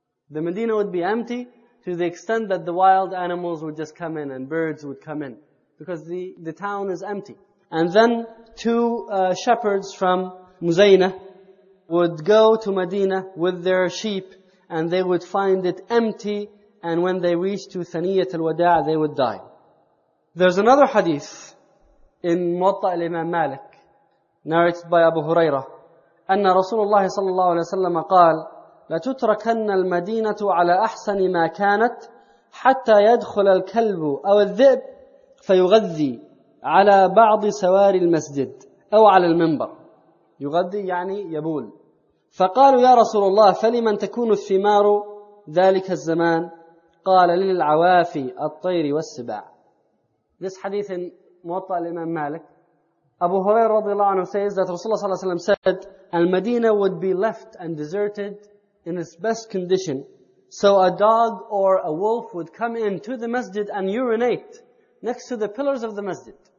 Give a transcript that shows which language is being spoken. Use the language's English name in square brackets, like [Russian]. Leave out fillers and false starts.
[English] The Medina would be empty to the extent that the wild animals would just come in and birds would come in. Because the town is empty. And then two shepherds from Muzayna would go to Medina with their sheep and they would find it empty, and when they reached to Thaniyat al-Wada' they would die. There's another hadith in Muwatta al-Imam Malik, narrated by Abu Huraira, [Arabic] أن رسول الله صلى الله عليه وسلم قال لتتركن المدينة على أحسن ما كانت حتى يدخل الكلب أو الذئب فيغذي على بعض سواري المسجد أو على المنبر. يغذي يعني يبول. فقالوا يا رسول الله فلمن تكون الثمار ذلك الزمان قال للعوافي الطير والسباع. [English] This hadith in Muwatta al-Imam Malik, Abu Hurairah radiallahu anhu says that Rasulullah sallallahu alayhi wa sallam said, Al-Madinah would be left and deserted in its best condition. So a dog or a wolf would come into the masjid and urinate next to the pillars of the masjid.